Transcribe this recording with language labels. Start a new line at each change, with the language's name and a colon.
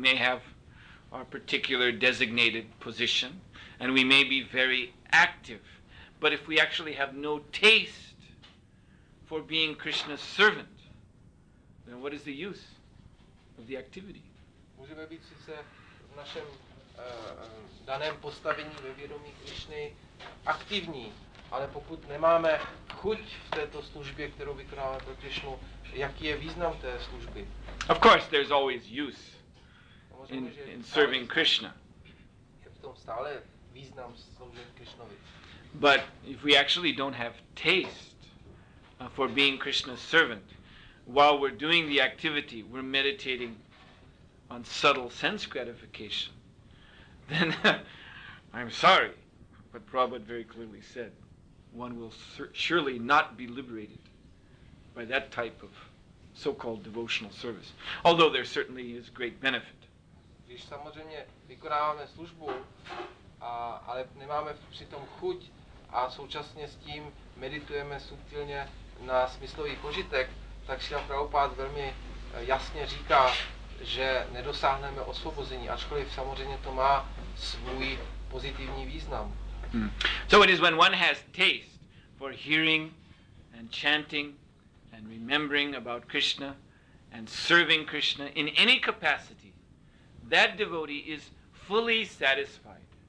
English: We may have our particular designated position and we may be very active. But if we actually have no taste for being Krishna's servant, then what is the use of the activity?
Czech: Můžeme být sice v našem daném postavení ve vědomí Krišny aktivní, ale pokud nemáme chuť v této službě, kterou vykonáváme pro Krišnu, jaký je význam té služby?
English: Of course, there's always use in serving Krishna.
Czech: Je v tom stále význam sloužit Krišnovi.
English: But if we actually don't have taste for being Krishna's servant, while we're doing the activity, we're meditating on subtle sense gratification, then I'm sorry, but Prabhupada very clearly said, one will surely not be liberated by that type of so-called devotional service. Although there certainly is great benefit.
Czech: Když samozřejmě vykonáváme službu, ale nemáme přitom chuť a současně s tím meditujeme subtilně na smyslový požitek, tak Šila Prabhupád velmi jasně říká, že nedosáhneme osvobození, ačkoliv samozřejmě to má svůj pozitivní význam.
English: So it is when one has taste for hearing and chanting and remembering about Krishna and serving Krishna in any capacity, that devotee is fully satisfied.